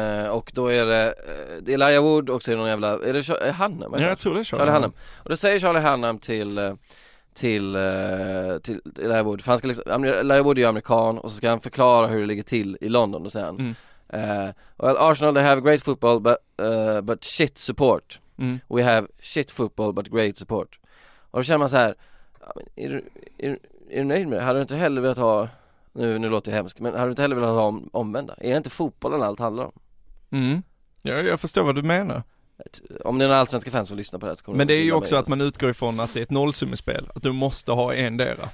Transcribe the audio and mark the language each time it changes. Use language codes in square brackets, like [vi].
[sv] Och då är det är Laya Wood och så är det någon jävla, är det Hannem? Ja, jag tror det är Charlie Hannem. Och då säger Charlie Hannem till Laya Wood, för han ska liksom, Laya Wood är ju amerikan, och så ska han förklara hur det ligger till i London och sen. [en] Well, Arsenal, they have great football but shit support. Mm. We have shit football but great support. [sv] Och då känner man så här, är du nöjd med det? Hade du inte heller velat ha, nu låter det hemskt, men hade du inte heller velat ha omvända? Är det inte fotbollen allt handlar om? Mm. Ja, jag förstår vad du menar. Om det är några allsvenska fans som lyssnar på det, så kommer. Men det är ju också att man utgår ifrån att det är ett nollsummespel, att du måste ha en dera.